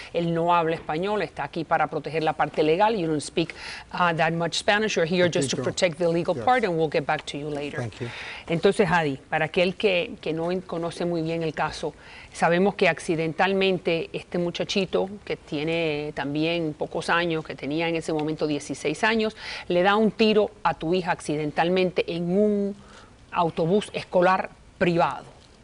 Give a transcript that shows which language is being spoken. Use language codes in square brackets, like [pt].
[es] Él no habla español, está aquí para proteger la parte legal. [en] You don't speak that much Spanish. You're here just to protect the legal part, and we'll get back to you later. Thank you. [es] Entonces, Adi, para aquel que no conoce muy bien el caso, sabemos que accidentalmente este muchachito, que tiene también pocos años, que tenía en ese momento 16 años, le da un tiro a tu hija accidentalmente en un autobús escolar privado.